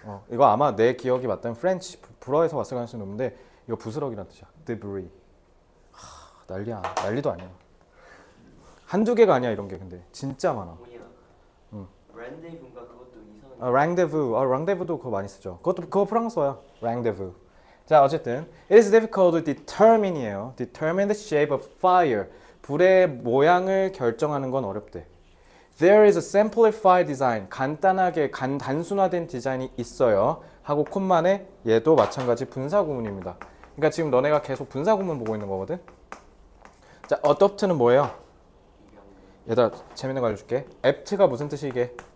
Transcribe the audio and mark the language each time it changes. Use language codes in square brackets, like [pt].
[ko] 이거 아마 내 기억이 맞다면 프렌치, 불어에서 왔을 가능성이 높은데, 이거 부스러기란 뜻이야. Debris. 난리야. 난리도 아니야. 한두 개가 아니야, 이런 게. 근데 진짜 많아. 랜데이군가 그것도 이상한 아, 랑데부. 아, 랑데부도 그거 많이 쓰죠. 그거 프랑스어야. 랑데부. 자, 어쨌든 [en] It is difficult to determine이에요. Determine the shape of fire. [ko] 불의 모양을 결정하는 건 어렵대. [en] There is a simplified design. [ko] 간단하게 간단순화된 디자인이 있어요. 하고 콤만에 얘도 마찬가지 분사 구문입니다. 그러니까 지금 너네가 계속 분사 구문 보고 있는 거거든. 자, adopt는 뭐예요? 얘들아, 재밌는 거 알려줄게. apt가 무슨 뜻이 이게?